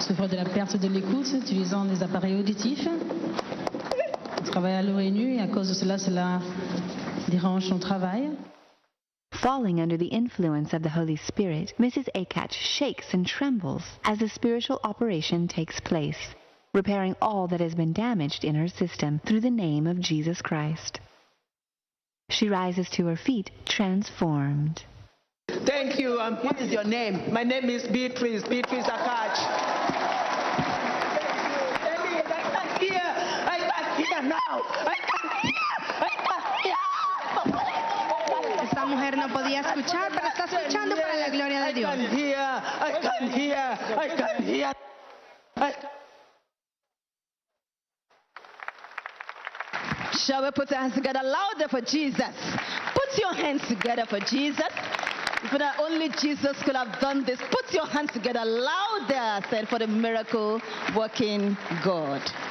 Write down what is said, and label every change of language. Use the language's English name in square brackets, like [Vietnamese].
[French] Souffre de la perte de l'écoute utilisant des appareils auditifs. Il travaille à l'ONU et à cause de cela, cela dérange son travail. [English] Falling under the influence of the Holy Spirit, Mrs. Akatch shakes and trembles as the spiritual operation takes place, repairing all that has been damaged in her system through the name of Jesus Christ. She rises to her feet, transformed. Thank you. What is your name? My name is Beatrice Akatch. [Spanish] Esta mujer no podía escuchar, pero está escuchando para la gloria de Dios. [English] Shall we put our hands together louder for Jesus? Put your hands together for Jesus. If only Jesus could have done this. Put your hands together louder, said, for the miracle working God.